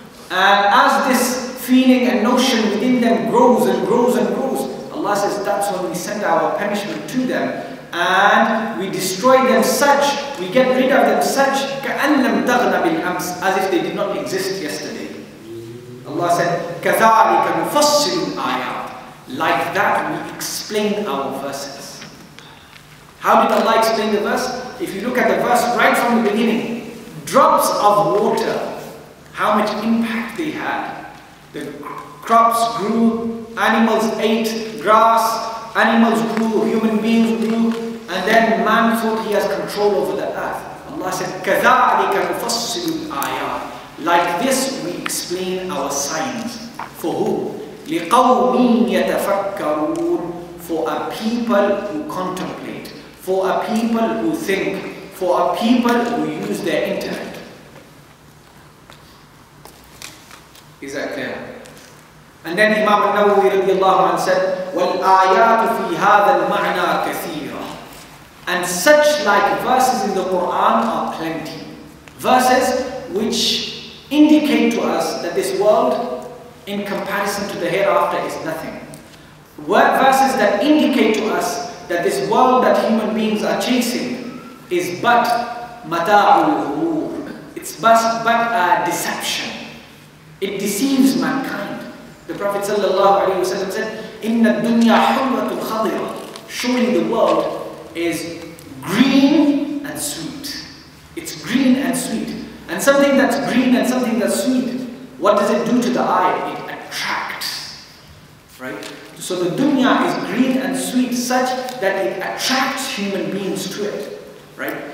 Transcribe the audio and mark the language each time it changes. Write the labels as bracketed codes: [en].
[en] And as this feeling and notion within them grows and grows and grows, Allah says, that's when we send our punishment to them. And we destroy them such, we get rid of them such, [ar] كَأَنْ لَمْ تَغْنَ بِالْأَمْسِ, [en] as if they did not exist yesterday. Allah said, [ar] كَذَٰلِكَ نُفَصِّلُ الْآيَاتِ. [en] Like that we explain our verses. How did Allah explain the verse? If you look at the verse right from the beginning, drops of water, how much impact they had. The crops grew, animals ate grass, animals grew, human beings grew, and then man thought he has control over the earth. Allah said, [ar] كَذَٰلِكَ نُفَصِّلُ الْآيَاتِ. [en] Like this, we explain our signs. For who? [ar] لِقَوْمٍ يَتَفَكَّرُونَ. [en] For a people who contemplate, for a people who think, for a people who use their intellect. Is that clear? And then Imam al-Nawawi [ar] رضي الله عنه [en] said, [ar] والآيات في هذا المعنى كثيرة. [en] And such like verses in the Quran are plenty. Verses which indicate to us that this world in comparison to the hereafter is nothing. Verses that indicate to us that this world that human beings are chasing is but mata'ul ghurur. It's but a deception. It deceives mankind. The Prophet ﷺ said, [ar] إِنَّ الدُّنْيَا حُرَّةٌ خَضِرَةٌ. [en] Showing the world is green and sweet. It's green and sweet. And something that's green and something that's sweet, what does it do to the eye? It attracts. Right? So the dunya is green and sweet such that it attracts human beings to it. Right?